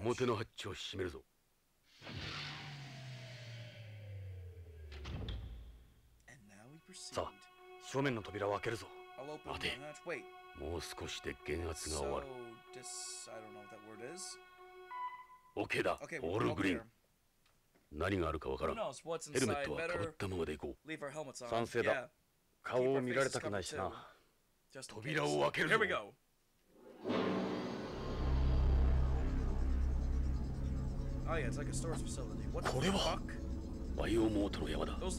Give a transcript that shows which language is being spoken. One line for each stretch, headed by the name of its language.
Japanese: 表のハッチを閉めるぞ。
English: And now we proceed.
Japanese: さあ、正面の扉を開けるぞ。
English: I'll open the hatch. Wait.
Japanese: もう少しで減圧が終わる。
English: So, this, I don't know what that word is.
Japanese: OK だ。
English: Okay, we're all clear.
Japanese: 何があるかわからん。ヘルメットはかぶったままで行こう。賛成だ。顔を見られたくないしな。扉を開けるぞ。これはバイオモートの山だ。